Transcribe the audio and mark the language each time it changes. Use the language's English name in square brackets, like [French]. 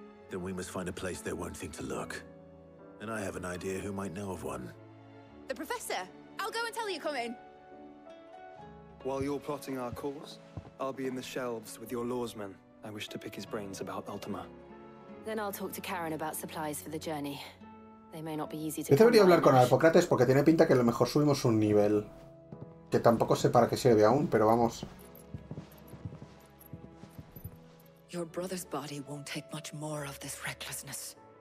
[English] Then we must find a place they won't think to look. And I have an idea who might know of one. The Professor! I'll go and tell you come in! While you're plotting our course, I'll be in the shelves with your lawsman. I wish to pick his brains about Ultima. Then I'll talk to Karen about supplies for the journey. They may not be easy to... [Spanish] Yo debería hablar con Hipócrates porque tiene pinta que a lo mejor subimos un nivel. Que tampoco sé para qué sirve aún, pero vamos. [English] Your brother's body won't take much more of this recklessness.